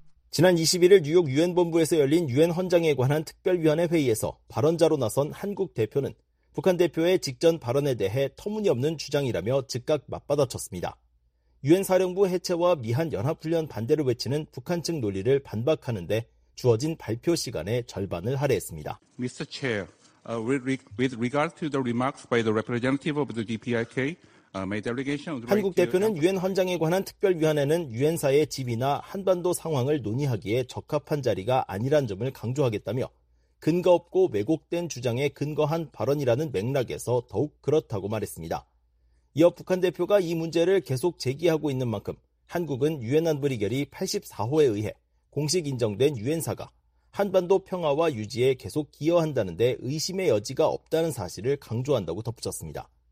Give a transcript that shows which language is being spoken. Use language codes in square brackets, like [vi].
[ko] 지난 21일 뉴욕 유엔 본부에서 열린 유엔 헌장에 관한 특별위원회 회의에서 발언자로 나선 한국 대표는 북한 대표의 직전 발언에 대해 터무니없는 주장이라며 즉각 맞받아쳤습니다. 유엔 사령부 해체와 미한 연합훈련 반대를 외치는 북한 측 논리를 반박하는데 주어진 발표 시간의 절반을 할애했습니다. [en] Mr. Chair, with regard to the remarks by the representative of the DPRK, my delegation. [ko] 한국 대표는 유엔 헌장에 관한 특별위원회는 유엔사의 지위나 한반도 상황을 논의하기에 적합한 자리가 아니란 점을 강조하겠다며 근거 없고 왜곡된 주장에 근거한 발언이라는 맥락에서 더욱 그렇다고 말했습니다. 이어 북한 대표가 이 문제를 계속 제기하고 있는 만큼 한국은 유엔 안보리결의 84호에 의해 공식 인정된 유엔사가 한반도 평화와 유지에 계속 기여한다는 데 의심의 여지가 없다는 사실을 강조한다고 덧붙였습니다.